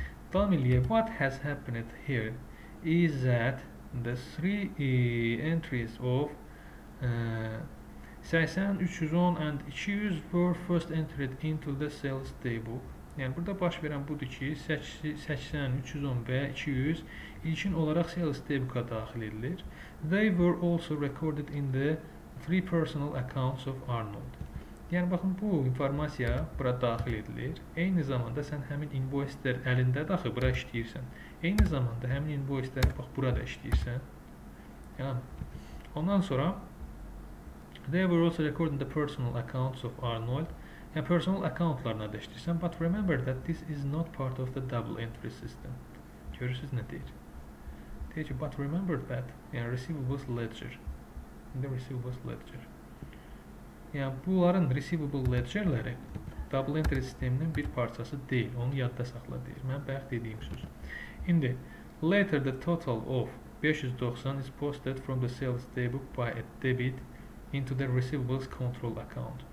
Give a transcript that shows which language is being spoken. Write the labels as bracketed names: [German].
[Azerbaijani] Tam eləyək, [English] what has happened here is that the three entries of 80, 310 and 200 were first entered into the sales table. [Azerbaijani] Yəni, burada baş verən budur ki, 80, 310 və 200 ilkin olaraq sales table-a daxil edilir. [English] They were also recorded in the three personal accounts of Arnold. [Azerbaijani] Yəni, baxın, bu informasiya bura daxil edilir. Eyni zamanda sən həmin invoice-lər əlində də axı bura işləyirsən. Eyni zamanda həmin invoice-ləri, bax, bura da işləyirsən. Yəni, ondan sonra, [English] they were also recorded in the personal accounts of Arnold. [Azerbaijani] Yəni, personal account-larına da işləyirsən. [English] But remember that this is not part of the double entry system. [Azerbaijani] Görürsünüz, nə deyir? [English] But remember that yani receivables ledger. The receivables ledger. [Azerbaijani] Yani bunların receivable ledger'ları double entry sisteminin bir parçası deyil. Onu yadda saxla deyir. Mən bayaq dediyim söz. [English] İndi, later the total of 590 is posted from the sales day book by a debit into the receivables control account.